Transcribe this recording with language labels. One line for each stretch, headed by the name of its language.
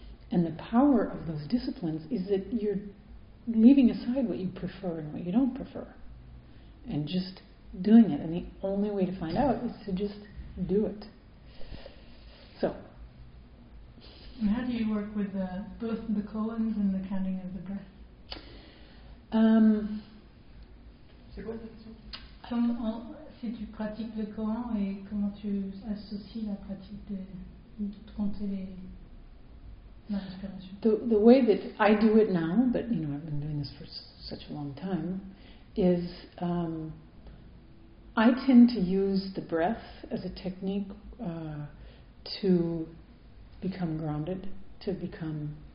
English: And the power of those disciplines is that you're leaving aside what you prefer and what you don't prefer, and just doing it. And the only way to find out is to just do it. So. And how do you work with both the koans and the counting of the breath?
French: Si tu pratiques le koan, et comment tu associes la pratique de compter les respirations?
English: The way that I do it now, but you know, I've been doing this for such a long time, is I tend to use the breath as a technique to become grounded, to become